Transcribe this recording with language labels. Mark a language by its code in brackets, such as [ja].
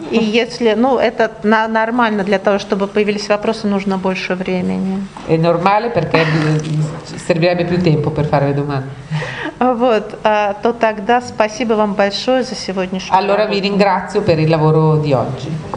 [ru] И если, ну, это нормально для того, чтобы появились вопросы, нужно больше времени. [it] È normale perché servirebbe più tempo per fare le domande. [ru] Вот, то тогда спасибо вам большое за сегодняшний. [it] Allora vi ringrazio per il lavoro di oggi.